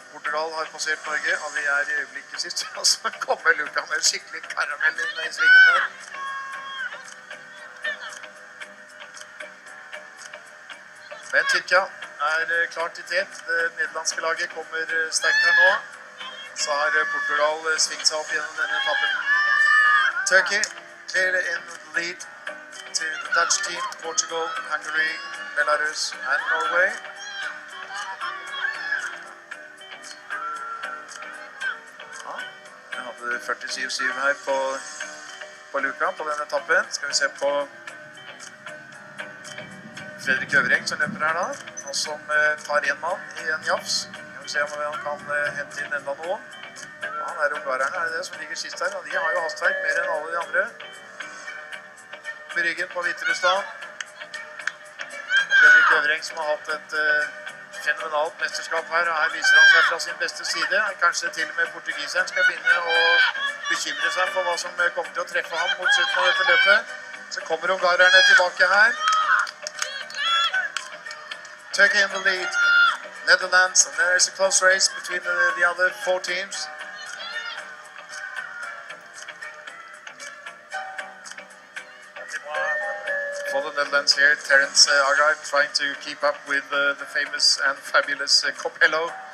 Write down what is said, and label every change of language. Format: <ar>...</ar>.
<no>Portugal har passert Norge, og vi i øyeblikket sist, og så kommer Luca med en skikkelig karamell inn i svingen der. Men Tyrkia er klart i tet. Det nederlandske laget kommer sterkt her nå. Så har Portugal svingt seg opp gjennom denne etappen.</no> <en>Turkey clear in lead to the Dutch team. Portugal, Hungary, Belarus and Norway.</en> <no>Ja, vi hadde 47-7 her på Luca på denne etappen. Skal vi se på Fredrik Øvring som løper her da, og som tar en mann i en jafs. Vi må se om han kan hente inn enda noen. Ja, det ungarerne er det som ligger sist her, og de har jo hastverk mer enn alle de andre. Med ryggen på Hviterussland. Fredrik Øvring som har hatt et fenomenalt mesterskap her, og her viser han seg fra sin beste side. Kanskje til og med portugiseren skal begynne å bekymre seg for hva som kommer til å treffe ham mot slutten av dette løpet. Så kommer ungarerne tilbake her.</no> <en>Turkey in the lead, Netherlands, and there is a close race between the other four teams. For the Netherlands here, Terence Agard trying to keep up with the famous and fabulous Coppello.</en>